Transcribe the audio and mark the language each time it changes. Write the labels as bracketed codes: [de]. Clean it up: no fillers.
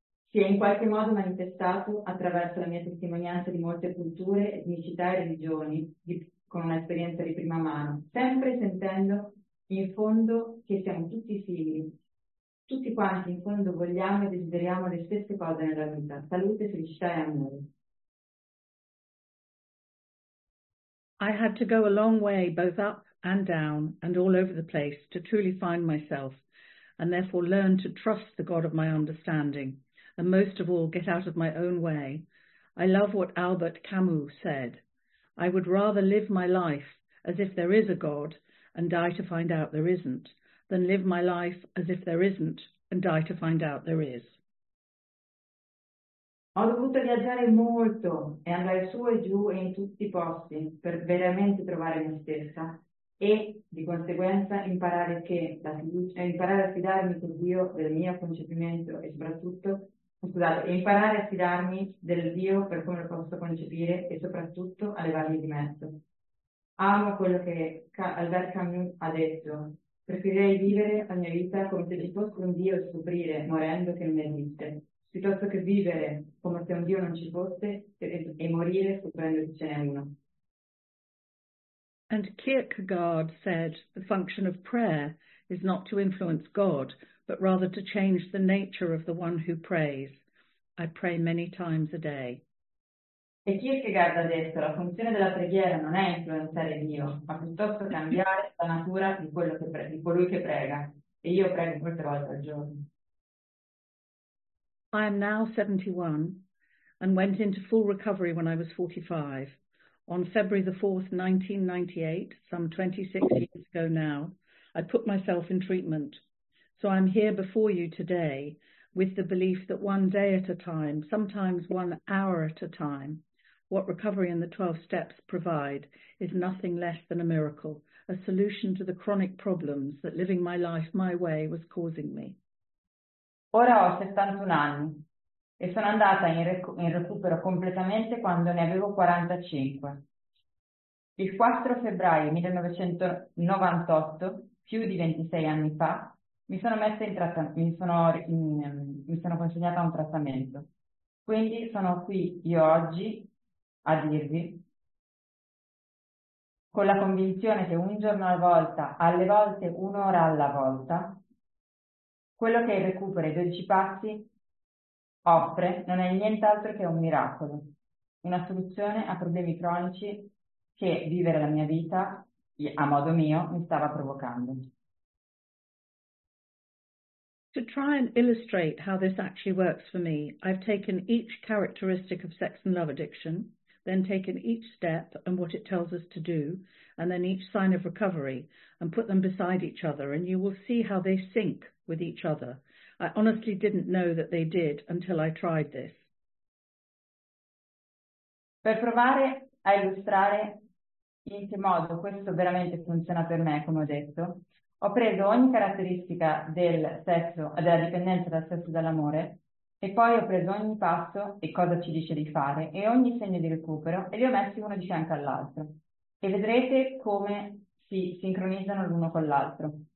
[it] si è in qualche modo manifestato attraverso la mia testimonianza di molte culture, etnicità e religioni, con un'esperienza di prima mano, sempre sentendo in fondo che siamo tutti simili. Tutti quanti in fondo vogliamo e desideriamo le stesse cose nella vita, salute, felicità e amore. [en] I had to go a long way, both up and down and all over the place, to truly find myself and therefore learn to trust the God of my understanding and most of all get out of my own way. I love what Albert Camus said. I would rather live my life as if there is a God and die to find out there isn't than live my life as if there isn't and die to find out there is. [it] Ho dovuto viaggiare molto e andare su e giù e in tutti i posti per veramente trovare me stessa e di conseguenza imparare a fidarmi del Dio del mio concepimento e soprattutto, scusate, imparare a fidarmi del Dio per come lo posso concepire e soprattutto a levarmi di mezzo. Amo quello che Albert Camus ha detto. Preferirei vivere la mia vita come se ci fosse un Dio e scoprire morendo che non esiste. piuttosto che vivere come se un Dio non ci fosse e morire scoprendo che ce n'è uno. [en] And Kierkegaard said the function of prayer is not to influence God, but rather to change the nature of the one who prays. I pray many times a day. [it] E Kierkegaard ha detto la funzione della preghiera non è influenzare Dio, ma piuttosto cambiare la natura di quello che di colui che prega. E io prego molte volte al giorno. [en] I am now 71 and went into full recovery when I was 45. On February the 4th, 1998, some 26 years ago now, I put myself in treatment. So I'm here before you today with the belief that one day at a time, sometimes 1 hour at a time, what recovery and the 12 steps provide is nothing less than a miracle, a solution to the chronic problems that living my life my way was causing me. [it] Ora ho 71 anni e sono andata in recupero completamente quando ne avevo 45. Il 4 febbraio 1998, più di 26 anni fa, mi sono consegnata a un trattamento. Quindi sono qui io oggi a dirvi, con la convinzione che un giorno alla volta, alle volte un'ora alla volta, quello che è il recupero ai 12 passi offre non è nient'altro che un miracolo, una soluzione a problemi cronici che vivere la mia vita, a modo mio, mi stava provocando. [en] To try and illustrate how this actually works for me, I've taken each characteristic of sex and love addiction, then taken each step and what it tells us to do, and then each sign of recovery, and put them beside each other, and you will see how they sync with each other. I honestly didn't know that they did until I tried this. [it] Per provare a illustrare in che modo questo veramente funziona per me, come ho detto, ho preso ogni caratteristica del sesso, della dipendenza dal sesso e dall'amore, e poi ho preso ogni passo e cosa ci dice di fare e ogni segno di recupero e li ho messi uno di fianco all'altro e vedrete come si sincronizzano l'uno con l'altro.